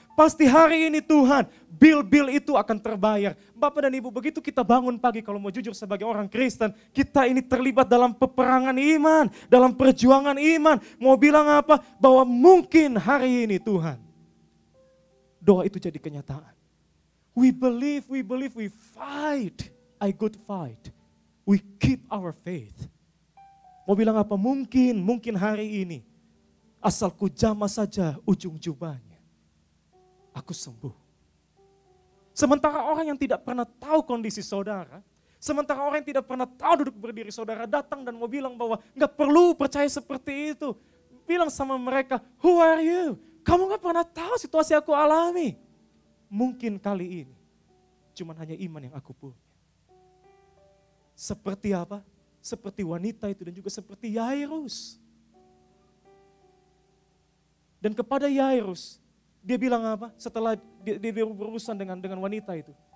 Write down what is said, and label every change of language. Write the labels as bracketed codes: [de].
[id] Pasti hari ini Tuhan, bil-bil itu akan terbayar. Bapak dan Ibu, begitu kita bangun pagi, kalau mau jujur sebagai orang Kristen, kita ini terlibat dalam peperangan iman, dalam perjuangan iman. Mau bilang apa? Bahwa mungkin hari ini Tuhan, doa itu jadi kenyataan. [en] We believe, we fight a good fight. We keep our faith. [id] Mau bilang apa? Mungkin hari ini, asal ku jamah saja ujung jubahnya, aku sembuh. Sementara orang yang tidak pernah tahu kondisi saudara, sementara orang yang tidak pernah tahu duduk berdiri saudara, datang dan mau bilang bahwa gak perlu percaya seperti itu. bilang sama mereka, [en] "Who are you? [id] Kamu gak pernah tahu situasi aku alami. Mungkin kali ini cuman hanya iman yang aku punya." Seperti apa? Seperti wanita itu dan juga seperti Yairus. Dan kepada Yairus, dia bilang apa? Setelah dia berurusan dengan wanita itu.